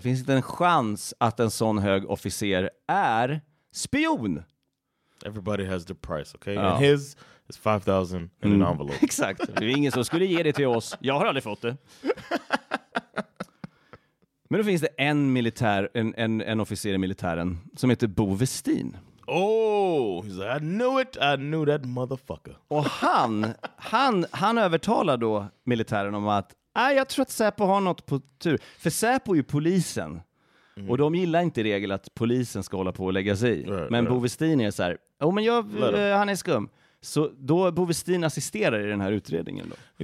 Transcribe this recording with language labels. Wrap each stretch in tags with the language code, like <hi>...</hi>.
<sv>Finns inte en chans att en sån hög officer är spion.</sv> <en>Everybody has their price, okay? Ja. And his is 5,000 in an envelope.</en> <sv>Exakt. Det är ingen som skulle ge det till oss. Jag har aldrig fått det. Men då finns det en militär, en officer i militären som heter Bo Westin.</sv> <en>Oh, he's like, I knew it, I knew that motherfucker.</en> <sv>Och han övertalar då militären om att jag tror att Säpo har något på tur. För Säpo är ju polisen. Mm. Och de gillar inte i regel att polisen ska hålla på och lägga sig i.</sv> <en>Right,</en> <sv>men Bo Westin är så här, men han är skum. Så då Bove Steen assisterar i den här utredningen då.</sv>